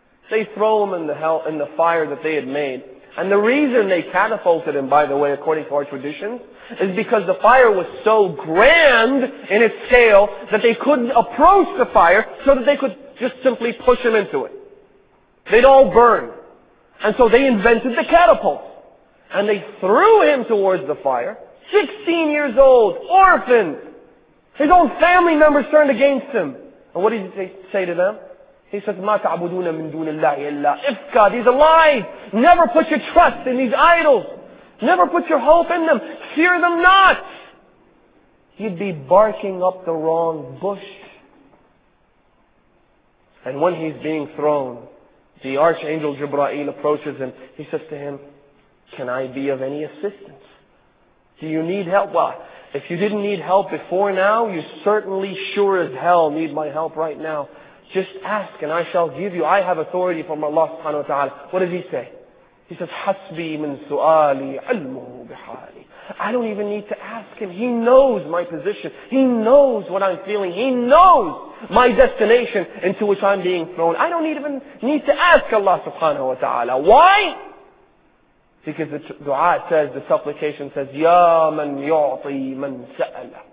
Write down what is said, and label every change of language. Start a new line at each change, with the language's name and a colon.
English: They throw him in the fire that they had made. And the reason they catapulted him, by the way, according to our traditions, is because the fire was so grand in its scale that they couldn't approach the fire so that they could just simply push him into it. They'd all burn. And so they invented the catapult. And they threw him towards the fire. 16 years old, orphan. His own family members turned against him. And what did he say to them? He says,
Arabic: مَا تَعْبُدُونَ مِن دُونِ اللَّهِ إِلَّا إِفْكَ.
English: These are lies. Never put your trust in these idols. Never put your hope in them. Fear them not. You'd be barking up the wrong bush. And when he's being thrown, the archangel Jibra'il approaches him. He says to him, can I be of any assistance? Do you need help? Well, if you didn't need help before now, you certainly sure as hell need my help right now. Just ask and I shall give you. I have authority from Allah subhanahu wa ta'ala. What does he say? He says,
Arabic: حَسْبِي مِن سُؤَالِي عَلْمُهُ بِحَالِي.
English: I don't even need to ask him. He knows my position. He knows what I'm feeling. He knows my destination into which I'm being thrown. I don't even need to ask Allah subhanahu wa ta'ala. Why? Because the dua says, the supplication says,
Arabic: يَا مَن يُعْطِي مَن سَأَلَ.